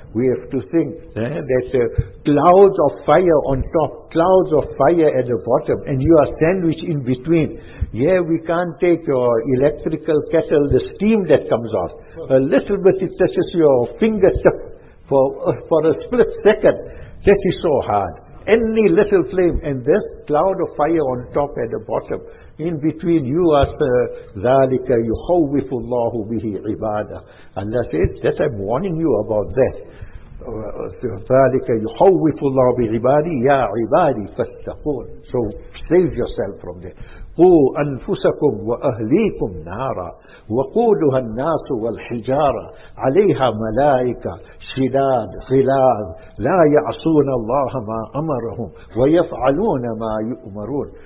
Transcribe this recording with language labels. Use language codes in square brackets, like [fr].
[en] We have to think that clouds of fire on top, clouds of fire at the bottom, and you are sandwiched in between. Yeah, we can't take your electrical kettle, the steam that comes off. A little bit, it touches your fingertip for a split second. That is so hard. Any little flame, and this cloud of fire on top at the bottom. In between, you are [ar] ذَلِكَ يُخَوِّفُ اللَّهُ بِهِ عِبَادَهُ. [en] Allah says, that I'm warning you about that. [ar] ذَلِكَ يُخَوِّفُ اللَّهُ بِهِ عِبَادِهِ يَا عِبَادِي فَاتَّقُونَ. [en] So save yourself from that. [ar] قُوْ أَنفُسَكُمْ وَأَهْلِيكُمْ نَارًا وَقُودُهَا النَّاسُ وَالْحِجَارَةُ عَلَيْهَا مَلَائِكَةٌ شِدَادٌ غِلَاظٌ لَا يَعْصُونَ اللَّهَ مَا أَمَرَهُمْ وَيَفْعَلُونَ مَا يُؤْمَرُونَ.